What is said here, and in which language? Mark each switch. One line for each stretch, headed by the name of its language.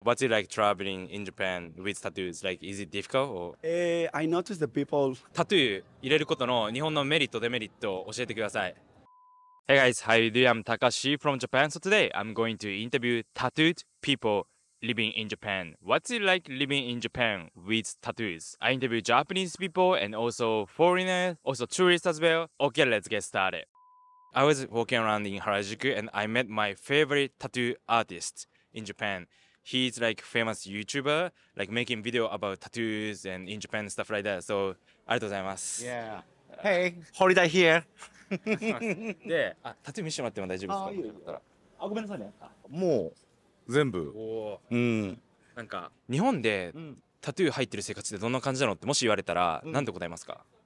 English: What's it like traveling in Japan with tattoos? Like, is it difficult? Or? I noticed the people.
Japanese: Tattoo, 入れることの日本のメリット、デメリットを教えてください。
English: Hey guys, how are you doing? I'm Takashi from Japan. So today, I'm going to interview tattooed people living in Japan. What's it like living in Japan with tattoos? I interview Japanese people and also foreigners, also tourists as well. Okay, let's get started. I was walking around in Harajuku and I met my favorite tattoo artist in Japan. He's like famous YouTuber, like making video about tattoos and in Japan, stuff like that.
Japanese: So, ありがとうございます。
English: Yeah. Hey, holiday here.
Japanese: で、タトゥー見せてもらっても大丈夫ですか？あ、ごめんなさいね。もう、全部。おー。なんか、日本でタトゥー入ってる生活ってどんな感じなのってもし言われたら、なんて答えますか？